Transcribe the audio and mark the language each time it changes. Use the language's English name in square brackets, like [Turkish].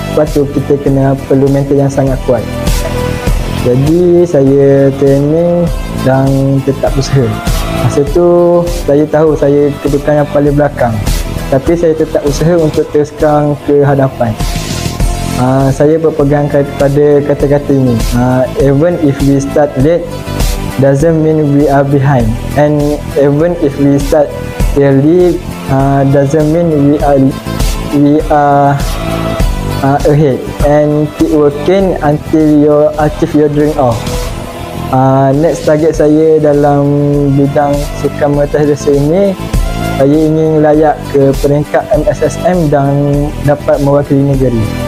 [Malay] Lepas tu kita kena perlu mental yang sangat kuat. Jadi saya training dan tetap berusaha. Masa tu saya tahu saya kedudukan yang paling belakang. Tapi saya tetap usaha untuk teruskan ke hadapan. Saya berpegang kepada kata-kata ini. [English] Even if we start late, doesn't mean we are behind. And even if we start early, doesn't mean we are ahead. And keep working until you achieve your dream off. Next target [Malay] saya dalam bidang sukan mahjong ini, saya ingin layak ke peringkat MSSM dan dapat mewakili negeri.